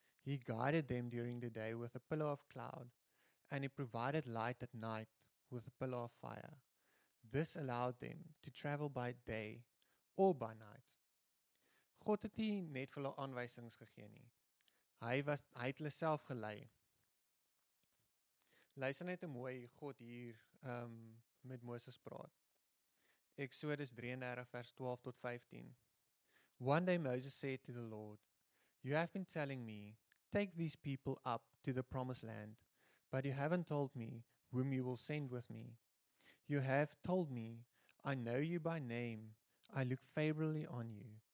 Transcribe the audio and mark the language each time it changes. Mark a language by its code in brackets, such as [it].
[en] He guided them during the day with a pillar of cloud, and he provided light at night with a pillar of fire. This allowed them to travel by day or by night. [af] God het nie net vir hulle aanwysings gegee nie. Hy het hulle self gelei. Luister net hoe mooi God hier met Moses praat. Exodus 33 vers 12 tot 15. [en] One day Moses said to the Lord, you have been telling me, take these people up to the promised land, but you haven't told me whom you will send with me. You have told me, I know you by name, I look favorably on you.